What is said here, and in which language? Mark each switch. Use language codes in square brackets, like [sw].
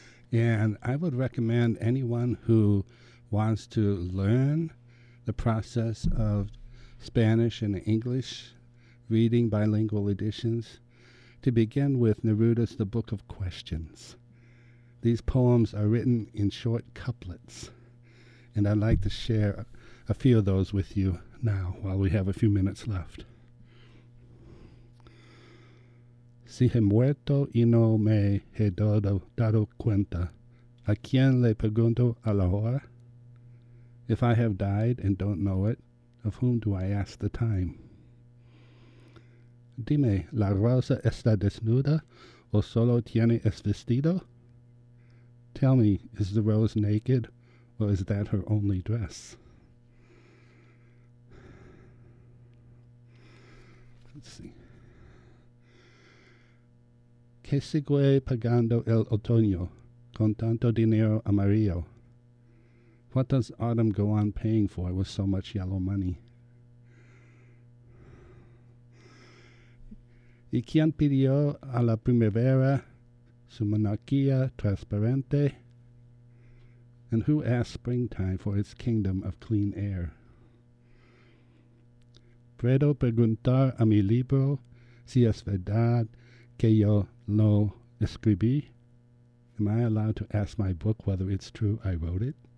[en] And I would recommend anyone who wants to learn the process of Spanish and English reading bilingual editions to begin with Neruda's The Book of Questions. These poems are written in short couplets, and I'd like to share a few of those with you now, while we have a few minutes left. [es] Si he muerto y no me he dado cuenta, ¿a quién le pregunto a la hora? [en] If I have died and don't know it, of whom do I ask the time? [es] Dime, ¿la rosa está desnuda o solo tiene es vestido? [en] Tell me, is the rose naked, or is that her only dress? Let's see. [es] ¿Qué sigue pagando el otoño con tanto dinero amarillo? [en] What does autumn go on paying for with so much yellow money? [es] ¿Y quién pidió a la primavera su monarquía transparente? [en] And who asked springtime for its kingdom of clean air? [es] Puedo preguntar a mi libro si es verdad que yo lo escribí? [en] Am I allowed to ask my book whether it's true I wrote it?